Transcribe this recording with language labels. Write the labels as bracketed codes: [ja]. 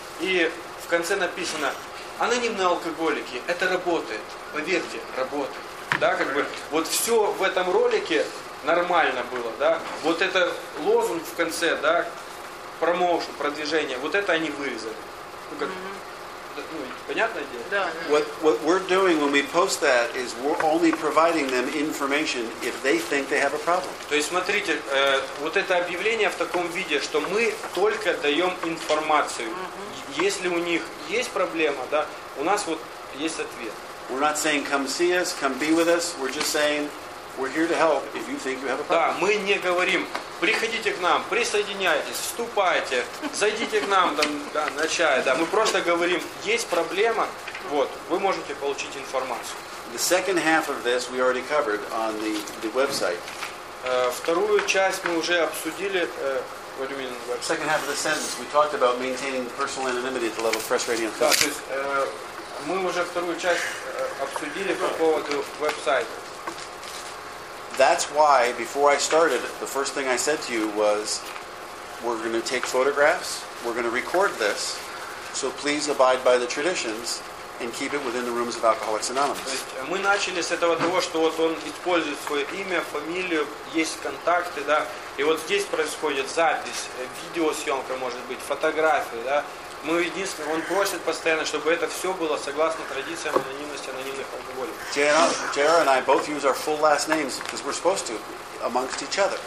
[ru] И в конце написано, анонимные алкоголики, это работает. Поверьте, работает. Да, как бы, вот все в этом ролике нормально было, да. Вот это лозунг в конце, да, промоушен, продвижение, вот это они вырезали. Ну, как, понятная идея? Да. [en] What we're doing when we post that is we're only providing them information if they think they have a problem. [ru] То есть, смотрите, вот это объявление в таком виде, что мы только даем информацию. Если у них есть проблема, да, у нас вот есть ответ. [en] We're not saying come see us, come be with us. We're just saying we're here to help if you think you have a problem. [ru] Да, мы не говорим, приходите к нам, присоединяйтесь, вступайте, зайдите к нам там, да, на чай. Да. Мы просто говорим, есть проблема, вот, вы можете получить информацию. [en] The second half of this we already covered on the website. [ru] Вторую часть мы уже обсудили. [en] What do you mean? The second half of the sentence, we talked about maintaining personal anonymity at the level of Fresh Radio. [ru] Да, то есть мы уже вторую часть обсудили по поводу веб-сайта. [en] That's why, before I started, the first thing I said to you was, we're going to take photographs, we're going to record this, so please abide by the traditions and keep it within the rooms of Alcoholics Anonymous. [ru] Мы начали с этого того, что вот он использует свое имя, фамилию, есть контакты, да, и вот здесь происходит запись, видеосъемка, может быть, фотографии, да. Мы единственное, он просит постоянно, чтобы это все было согласно традициям анонимности анонимных алкоголиков. [en] JR and I both use our full last names because we're supposed to amongst each other.